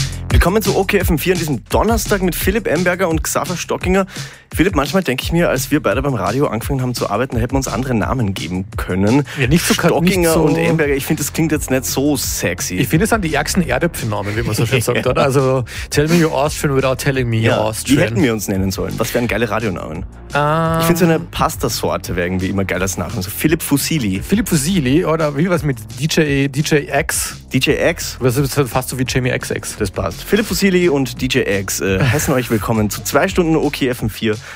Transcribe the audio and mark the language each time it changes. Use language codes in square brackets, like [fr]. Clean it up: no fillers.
[de] Willkommen zu OKFM 4 an diesem Donnerstag mit Philipp Emberger und Xaver Stockinger. Philipp, manchmal denke ich mir, als wir beide beim Radio angefangen haben zu arbeiten, hätten wir uns andere Namen geben können. Ja, nicht so Stockinger nicht so und Emberger, ich finde, das klingt jetzt nicht so sexy. Ich finde, es sind die ärgsten Erdäpfelnamen, wie man so schön sagt, oder? [en] Also, tell me your Austrian without telling me your Austrian. [de] Wie hätten wir uns nennen sollen? Was wären geile Radionamen? Ich finde, so eine Pasta-Sorte wäre irgendwie immer geil als Nachname. So Philipp Fusilli. Philipp Fusilli, oder wie war es mit DJ X? DJ X? Das ist fast so wie Jamie XX. Das passt. Philipp Fusilli und DJ X heißen euch willkommen zu 2 Stunden OKFM 4.